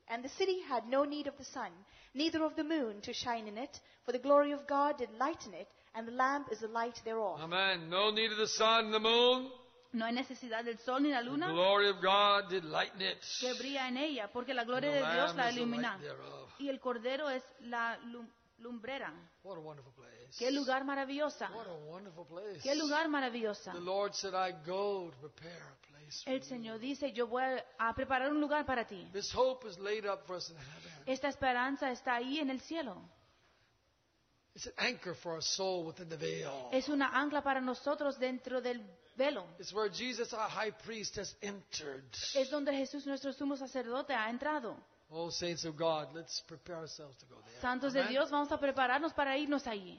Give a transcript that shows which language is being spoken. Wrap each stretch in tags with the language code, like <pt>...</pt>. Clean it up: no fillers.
<en>And the city had no need of the sun, neither of the moon to shine in it, for the glory of God did lighten it. And the lamp is the light thereof. Amen. No need of the sun and the moon.</en> <es>No hay necesidad del sol ni la luna.</es> <en>The glory of God did lighten it.</en> <es>Que brilla en ella, porque la gloria de Dios la ilumina. Y el cordero es la lumbrera.</es> <en>What a wonderful place.</en> <es>Qué lugar maravilloso.</es> <en>What a wonderful place.</en> <es>Qué lugar maravilloso.</es> <en>The Lord said, I go to prepare a place for</en> <es>El Señor dice, yo voy a preparar un lugar para ti.</es> <en>This hope is laid up for us in heaven.</en> <es>Esta esperanza está ahí en el cielo.</es> <en>It's an anchor for our soul within the veil.</en> <es>Es una ancla para nosotros dentro del velo.</es> <en>It's where Jesus, our high priest, has entered.</en> <es>Es donde Jesús, nuestro sumo sacerdote, ha entrado.</es> <en>Oh, saints of God, let's prepare ourselves to go there.</en> <es>Santos de Dios, vamos a prepararnos para irnos allí.</es>